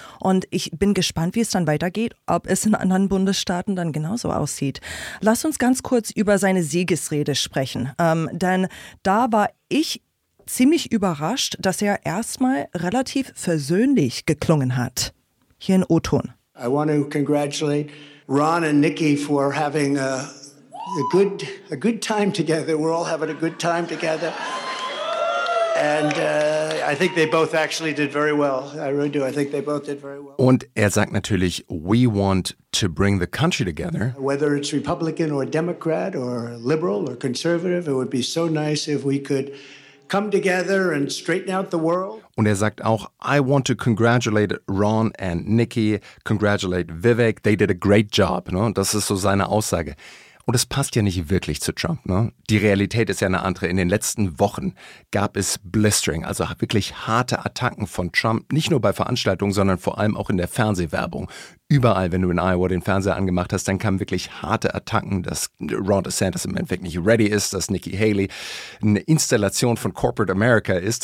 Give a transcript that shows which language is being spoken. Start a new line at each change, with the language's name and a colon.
German: Und ich bin gespannt, wie es dann weitergeht, ob es in anderen Bundesstaaten dann genauso aussieht. Lass uns ganz kurz über seine Siegesrede sprechen. Denn da war ich ziemlich überrascht, dass er erstmal relativ versöhnlich geklungen hat. Hier in O-Ton.
English: I want to congratulate Ron and Nikki for having a good time together. We're all having a good time together. And I think they both actually did very well. I really do. I think they both did very well.
German: Und er sagt natürlich,
English: we want to bring the country together. Whether it's Republican or Democrat or liberal or conservative, it would be so nice if we could come together and straighten out the world.
German: Und er sagt auch,
English: I want to congratulate Ron and Nikki, congratulate Vivek, they did a great job.
German: Ne? Das ist so seine Aussage. Und es passt ja nicht wirklich zu Trump. Ne? Die Realität ist ja eine andere. In den letzten Wochen gab es Blistering, also wirklich harte Attacken von Trump, nicht nur bei Veranstaltungen, sondern vor allem auch in der Fernsehwerbung. Überall, wenn du in Iowa den Fernseher angemacht hast, dann kamen wirklich harte Attacken, dass Ron DeSantis im Endeffekt nicht ready ist, dass Nikki Haley eine Installation von Corporate America ist.